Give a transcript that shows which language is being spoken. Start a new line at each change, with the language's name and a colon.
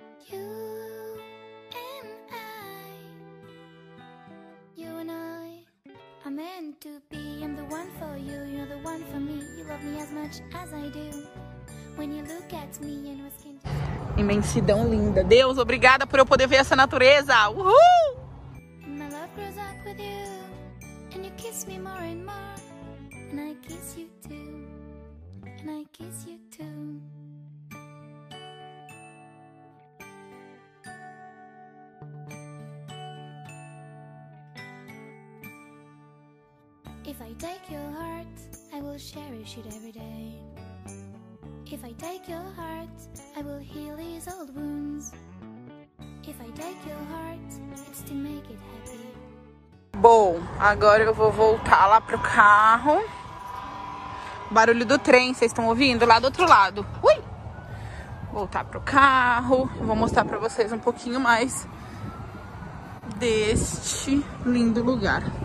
English: You and I, you and I are meant to be. I'm the one for you, you're the one for me. You love me as much as I do. When you look at me and my skin.
Portuguese: Imensidão linda. Deus, obrigada por eu poder ver essa natureza. Uhul!
English: My love grows up with you. And you kiss me more and more, and I kiss you too, and I kiss you too. If I take your heart, I will cherish it every day. If I take your heart, I will heal these old wounds. If I take your heart, it's to make it happy.
Portuguese: Bom, agora eu vou voltar lá pro carro. Barulho do trem, vocês estão ouvindo? Lá do outro lado. Ui! Voltar pro carro. Vou mostrar pra vocês um pouquinho mais deste lindo lugar.